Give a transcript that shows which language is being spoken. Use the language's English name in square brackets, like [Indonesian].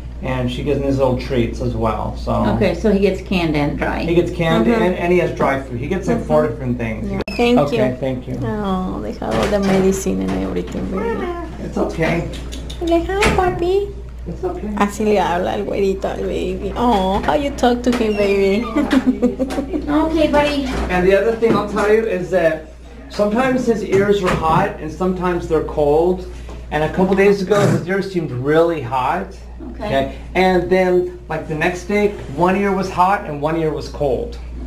[English] And she gives him his little treats as well. So okay, so he gets canned and dry. He gets canned and he has dry food. He gets like four different things. Yeah. Thank okay, you. Okay, thank you. Oh, they have all the medicine and everything. It's okay. [Spanish] Le hago, papi. [English] It's okay. [Spanish] Así le habla el güerito al baby. [English] Oh, how you talk to him, baby. Okay, buddy. And the other thing I'll tell you is that sometimes his ears are hot and sometimes they're cold. And a couple days ago, his ears seemed really hot. Okay. Okay. And then, like the next day, one ear was hot and one ear was cold.